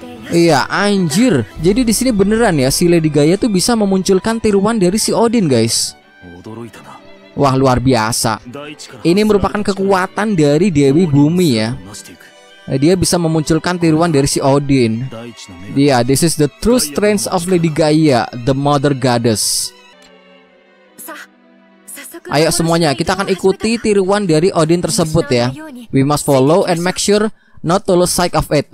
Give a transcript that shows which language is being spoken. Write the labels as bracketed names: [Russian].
[Indonesian] Iya, anjir. Jadi di sini beneran ya si Lady Gaia tuh bisa memunculkan tiruan dari si Odin, guys. Wah, luar biasa. Ini merupakan kekuatan dari Dewi Bumi ya. Dia bisa memunculkan tiruan dari si Odin. Iya, [English] this is the true strength of Lady Gaia, the Mother Goddess. [Indonesian] Ayo semuanya, kita akan ikuti tiruan dari Odin tersebut ya. [English] We must follow and make sure not to lose sight of it.